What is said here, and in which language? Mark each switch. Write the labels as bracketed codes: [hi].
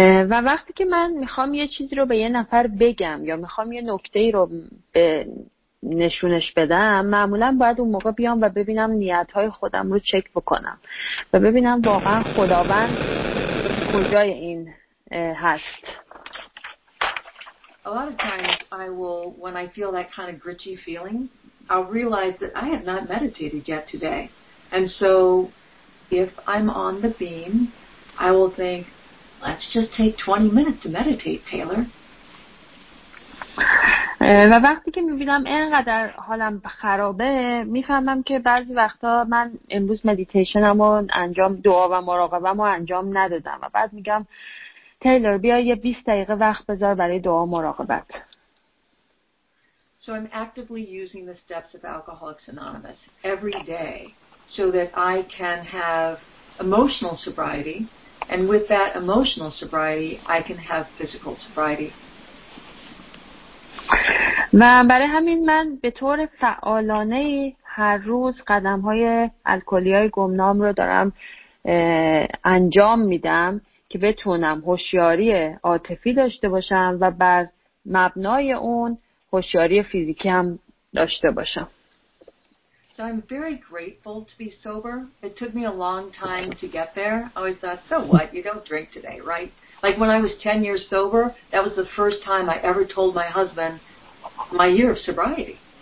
[fa] و وقتی که من میخوام یه چیزی رو به یه نفر بگم یا میخوام یه نکته رو به نشونش بدم، معمولا باید اون موقع بیام و ببینم نیتهای خودم رو چک بکنم و ببینم واقعا خداوند کجای این هست. [en] A lot of times I will, when I feel that kind of gritchy feeling, I'll realize that I have not meditated yet today. And so if I'm on the beam, I will think, let's just take 20 minutes to meditate, Taylor. [fa] و وقتی که میبینم اینقدر حالم خرابه، میفهمم که بعضی وقتا من امروز مدیتیشنم و انجام دعا و مراقبم رو انجام ندادم و بعد میگم تیلور بیا یه 20 دقیقه وقت بذار برای دعا و مراقبت. [en] So I'm actively using the steps of Alcoholics Anonymous every day so that I can have emotional sobriety, and with that emotional sobriety I can have physical sobriety. [fa] و برای همین من به طور فعالانه هر روز قدم های الکلی های گمنام رو دارم انجام میدم که بتونم هوشیاری عاطفی داشته باشم و بر مبنای اون هوشیاری فیزیکی هم داشته باشم. [en] So I'm very grateful to be sober. It took me a long time to get there. I always thought, so what? You don't drink today, right? Like when I was 10 years sober, that was the first time I ever told my husband my year of sobriety.